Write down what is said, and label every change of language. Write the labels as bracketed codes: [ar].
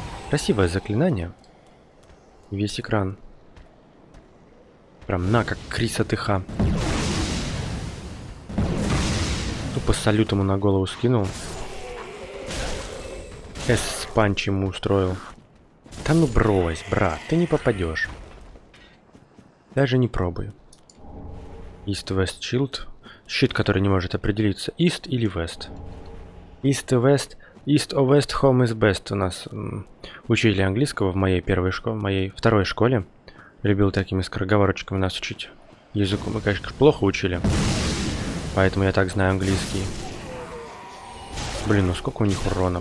[ru] Красивое заклинание. Весь экран. Прям на, как Криса ТХ. Тупо салют ему на голову скинул. С-панч ему устроил. Да ну брось, брат, ты не попадешь. Даже не пробуй. East West Shield. Щит, который не может определиться. East или West. East West. [en] East or West home is best. [ru] У нас учили английского в моей первой школе, в моей второй школе. Любил такими скороговорочками нас учить языку. Мы, конечно, плохо учили. Поэтому я так знаю английский. Блин, ну сколько у них урона.